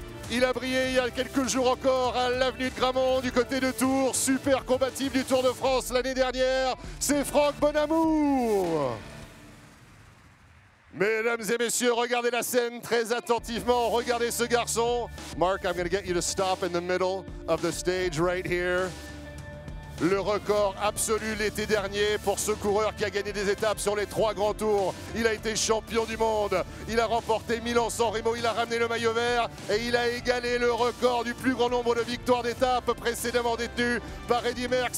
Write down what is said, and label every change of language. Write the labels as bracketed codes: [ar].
[fr] Il a brillé il y a quelques jours encore à l'avenue de Gramont du côté de Tours. Super combatif du Tour de France l'année dernière. C'est Franck Bonamour. Mesdames et messieurs, regardez la scène très attentivement. Regardez ce garçon. [en] Mark, I'm going to get you to stop in the middle of the stage right here. [fr] Le record absolu l'été dernier pour ce coureur qui a gagné des étapes sur les trois grands tours. Il a été champion du monde. Il a remporté Milan-San Remo. Il a ramené le maillot vert et il a égalé le record du plus grand nombre de victoires d'étapes précédemment détenues par Eddy Merckx.